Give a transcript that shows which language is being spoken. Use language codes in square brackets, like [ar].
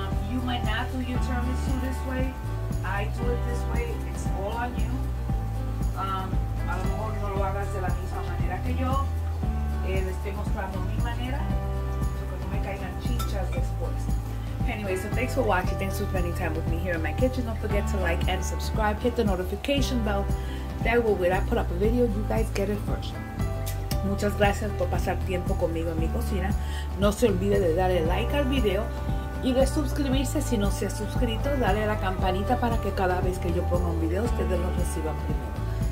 [en] You might not do your tiramisu this way. I do it this way. It's all on you. [es] A lo mejor no lo hagas de la misma manera que yo. Les estoy mostrando mi manera. Que no me caigan chinchas después. [en] Anyway, so thanks for watching. Thanks for spending time with me here in my kitchen. Don't forget to like and subscribe. Hit the notification bell. That way, when I put up a video, you guys get it first. [es] Muchas gracias por pasar tiempo conmigo en mi cocina. No se olvide de darle like al video. Y de suscribirse si no se ha suscrito. Dale a la campanita para que cada vez que yo ponga un video, ustedes lo reciban primero.